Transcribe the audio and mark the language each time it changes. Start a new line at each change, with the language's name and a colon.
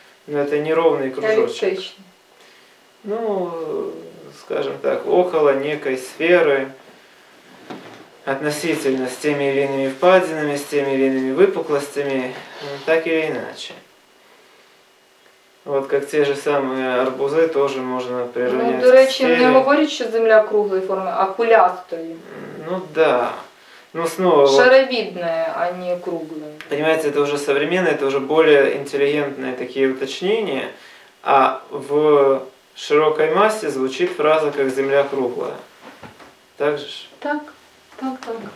Russian: Но это неровный кружочек. Ну, скажем так, около некой сферы, относительно с теми или иными впадинами, с теми или иными выпуклостями, так или иначе. Вот как те же самые арбузы тоже можно приравнять.
Ukrainian: Ну, до речі, не говорять, що земля круглої форми, а кулястої.
Russian: Ну да. Ну снова. Шаровидная, а не круглая. Понимаете, это уже современные, это уже более интеллигентные такие уточнения. А в широкой массе звучит фраза как земля круглая. Так же? Так. Так, так.